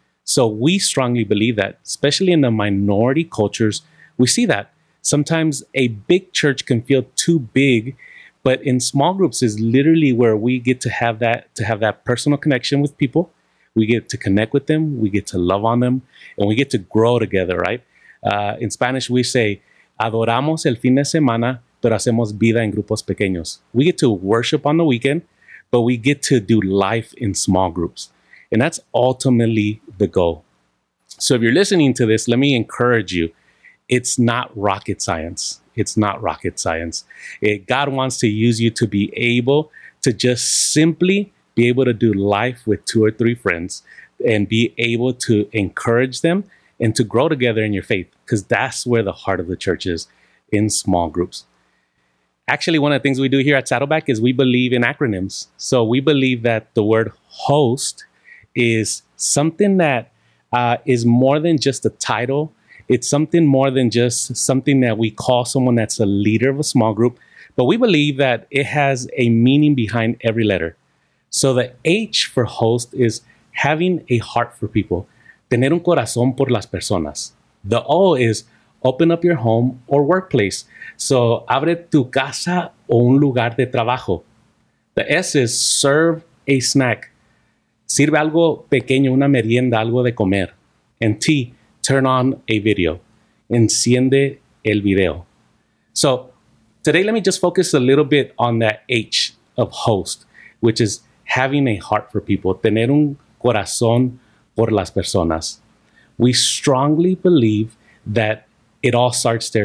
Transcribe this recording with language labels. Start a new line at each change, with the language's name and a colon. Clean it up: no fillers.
English: So we strongly believe that, especially in the minority cultures, we see that. Sometimes a big church can feel too big, but in small groups is literally where we get to have that personal connection with people. We get to connect with them. We get to love on them. And we get to grow together, right? In Spanish, we say,
Spanish: adoramos el fin de semana, pero hacemos vida en grupos pequeños.
English: We get to worship on the weekend, but we get to do life in small groups. And that's ultimately the goal. So if you're listening to this, let me encourage you. It's not rocket science. It's not rocket science. God wants to use you to be able to just simply be able to do life with two or three friends and be able to encourage them and to grow together in your faith, because that's where the heart of the church is, in small groups. Actually, one of the things we do here at Saddleback is we believe in acronyms. So we believe that the word host is something that is more than just a title. It's something more than just something that we call someone that's a leader of a small group, but we believe that it has a meaning behind every letter. So the H for host is having a heart for people,
Spanish: tener un corazón por las personas.
English: The O is open up your home or workplace.
Spanish: So abre tu casa o un lugar de trabajo.
English: The S is serve a snack.
Spanish: Sirve algo pequeño, una merienda, algo de comer.
English: And T, turn on a video.
Spanish: Enciende el video.
English: So today, let me just focus a little bit on that H of host, which is having a heart for people.
Spanish: Tener un corazón por las personas.
English: We strongly believe that it all starts there.